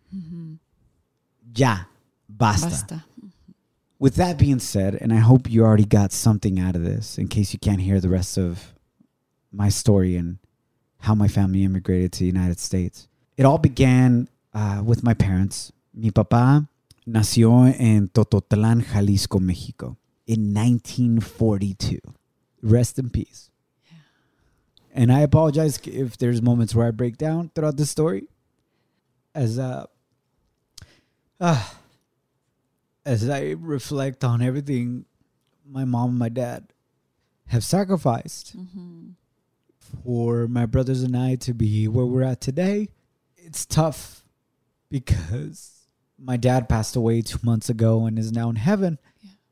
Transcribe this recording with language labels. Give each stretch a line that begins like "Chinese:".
Spanish: Mm-hmm. Ya. Basta. Basta.
English: With that being said, and I hope you already got something out of this in case you can't hear the rest of my story and how my family immigrated to the United States. It all began with my parents.
Spanish: Mi papá nació en Tototlán, Jalisco, México
English: in 1942. Rest in peace. And I apologize if there's moments where I break down throughout this story. As I reflect on everything my mom and my dad have sacrificed for my brothers and I to be where we're at today, it's tough because my dad passed away 2 months ago and is now in heaven. Yeah.